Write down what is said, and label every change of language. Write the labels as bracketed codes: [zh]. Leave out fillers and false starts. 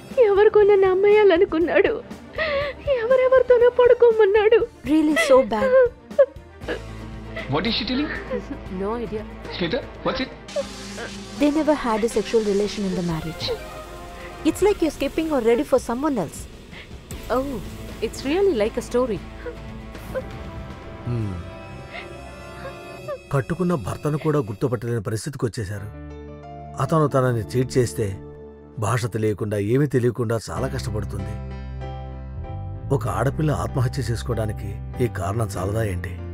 [te] ఎవరికో నన్ను అమ్మేయాలనుకున్నాడు, ఎవరెవరితోనో పడుకోమన్నాడు. [en] Really so bad. What is she telling? No idea. Smita, what's it? They never had a sexual relation in the marriage. It's like you're skipping or ready for someone else. Oh, it's really like a story. [te] కట్టుకున్న భర్తను కూడా గుర్తుపట్టలేని పరిస్థితికి వచ్చేశారు. అతను తనని cheat చేస్తే భాష తెలియకుండా ఏమీ తెలియకుండా చాలా కష్టపడుతుంది. ఒక ఆడపిల్ల ఆత్మహత్య చేసుకోవడానికి ఈ కారణం చాలదా ఏంటి?